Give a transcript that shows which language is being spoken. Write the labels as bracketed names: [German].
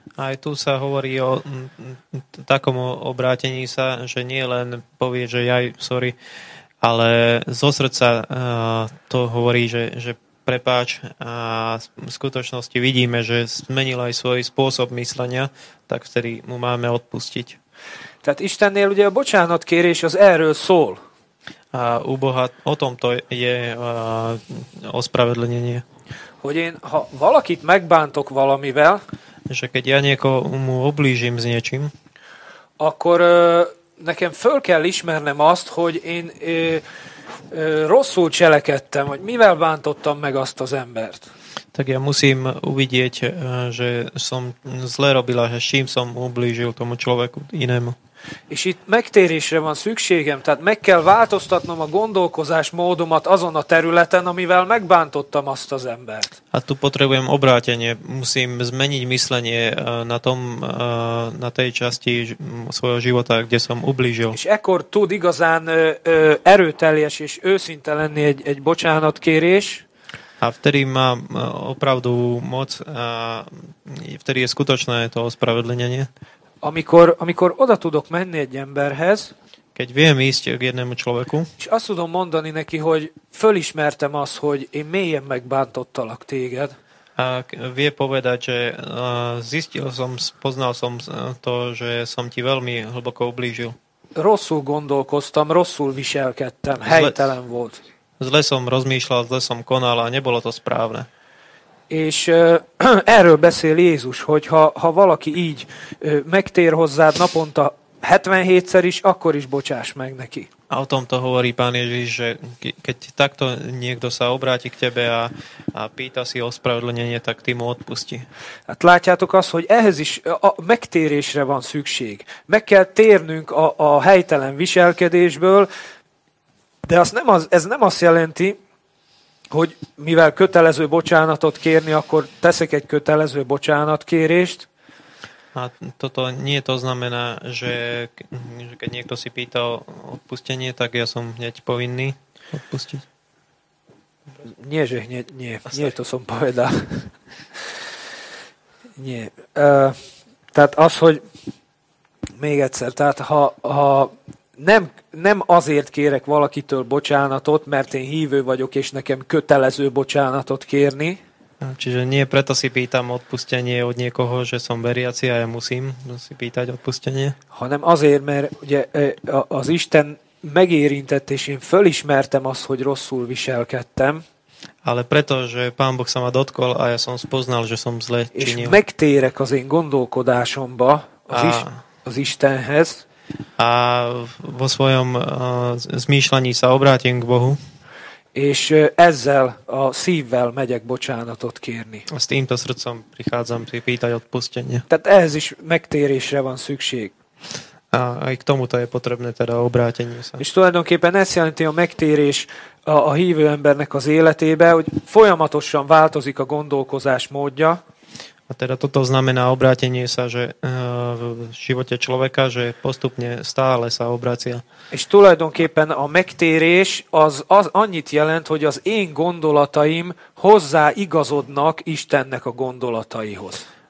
[Slovak] Aj tu sa hovorí o takom obrátení sa, že nie len povie, že jaj, sorry, ale zo srdca to hovorí, že prepáč, a v skutočnosti vidíme, že zmenil aj svoj spôsob myslenia, tak vtedy mu máme odpustiť. [Hungarian] Tehát Istennél ugye a bocsánat kérés az erről szól. [Slovak] A u Boha o tomto je ospravedlnenie. [Hungarian] Hogy én, ha valakit megbántok valamivel, [Slovak] že keď ja niekomu oblížim s niečím, [Hungarian] akkor nekem föl kell ismernem azt, hogy én rosszul cselekedtem, hogy mivel bántottam meg azt az embert. [Slovak] Tak ja musím uvidieť, že som zle robila, že s čím som ublížil tomu človeku inému. [Hungarian] És itt megtérésre van szükségem, tehát meg kell változtatnom a gondolkozás módomat azon a területen, amivel megbántottam azt az embert. [Slovak] Hát tu potrebujem obrátenie, musím zmeniť myslenie na tom, na tej časti svojho života, kde som ublížil. [Hungarian] És ekkor tud igazán erőteljes és őszinte lenni egy bocsánatkérés. [Slovak] A vtedy má opravdu moc, a vtedy je skutočné to ospravedlenie. [Hungarian] Amikor oda tudok menni egy emberhez, [Slovak] keď viem ísť k jednému človeku, [Hungarian] és azt tudom mondani neki, hogy fölismertem azt, hogy én mélyen megbántottalak téged, [Slovak] a vie povedať, že zistil som, poznal som to, že som ti veľmi hlboko ublížil. [Hungarian] Rosszul gondolkoztam, rosszul viselkedtem, helytelen volt. [Slovak] Zle som rozmýšľal, zle som konal a nebolo to správne. [Hungarian] És erről beszél Jézus, hogy ha valaki így megtér hozzád naponta 77-szer is, akkor is bocsáss meg neki. [Slovak] A o tomto hovorí pán Ježiš, že keď takto niekto sa obráti k tebe a pýta si ospravedlnenie, tak ty mu odpusti. [Hungarian] Hát látjátok azt, hogy ehhez is a megtérésre van szükség. Meg kell térnünk a helytelen viselkedésből, de ez nem azt jelenti, hogy mivel kötelező bocsánatot kérni, akkor teszek egy kötelező bocsánatkérést. [Slovak] Hát toto nie to znamená, že keď niekto si pýta o odpustenie, tak ja som hneď povinný odpustiť. Nie, že hneď, nie. Nie, to som povedal. Nie. [Hungarian] Tehát az, hogy még egyszer, tehát ha Nem azért kérek valakitől bocsánatot, mert én hívő vagyok, és nekem kötelező bocsánatot kérni. [Slovak] Čiže nie preto si pýtam odpustenie od niekoho, že som veriaci a ja musím si pýtať odpustenie. [Hungarian] Hanem azért, mert ugye az Isten megérintett, és én fölismertem azt, hogy rosszul viselkedtem. [Slovak] Ale preto, že Pán Boh sa ma dotkol a ja som spoznal, že som zle činil. [Hungarian] És megtérek az én gondolkodásomba az Istenhez. [Slovak] A vo svojom zmýšľaní sa obrátim k Bohu. [Hungarian] És ezzel a szívvel megyek bocsánatot kérni. [Slovak] A s týmto srdcom prichádzam si pýtať odpustenie. [Hungarian] Tehát ehhez is megtérésre van szükség. [Slovak] A aj k tomuto je potrebné teda obrátenie sa. [Hungarian] És tulajdonképpen ez jelenti a megtérés a hívő embernek az életébe, hogy folyamatosan változik a gondolkozás módja. [Slovak] A teda toto znamená obrátenie sa, že v živote človeka, že postupne stále sa obracia. [Hungarian] És tulajdonképpen a megtérés az annyit jelent, hogy az én gondolataim hozzá igazodnak Istennek a gondolataihoz.